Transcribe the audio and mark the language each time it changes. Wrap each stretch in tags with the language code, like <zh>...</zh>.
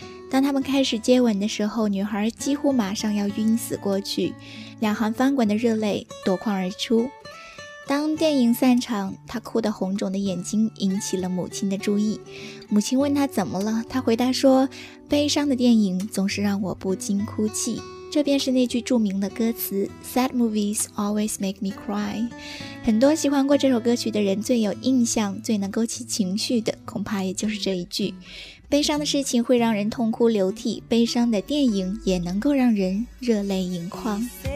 <zh>当他们开始接吻的时候，女孩几乎马上要晕死过去，两行翻滚的热泪夺眶而出。当电影散场，她哭得红肿的眼睛引起了母亲的注意。母亲问她怎么了，她回答说，悲伤的电影总是让我不禁哭泣。这便是那句著名的歌词</zh> <en>Sad movies always make me cry。</en> <zh>很多喜欢过这首歌曲的人，最有印象最能勾起情绪的恐怕也就是这一句，悲伤的事情会让人痛哭流涕，悲伤的电影也能够让人热泪盈眶。</zh>